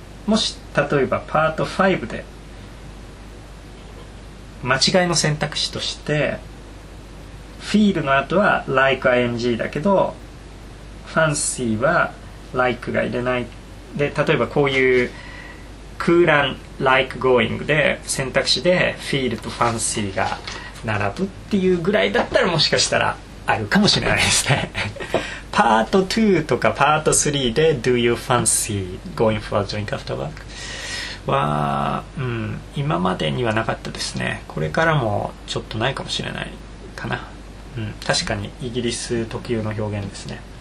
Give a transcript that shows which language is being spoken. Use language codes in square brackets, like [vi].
[ja] もし例えばパート5で間違いの選択肢として feel の後は like ing だけど fancy は like が入れないで、例えばこういう空欄 like going で選択肢で feel と fancy が並ぶっていうぐらいだったらもしかしたらあるかもしれないですね。パート2とかパート3で [en] Do you fancy going for a drink after work? [ja] は、うん、今までにはなかったですね。これからもちょっとないかもしれないかな、うん、確かにイギリス特有の表現ですね。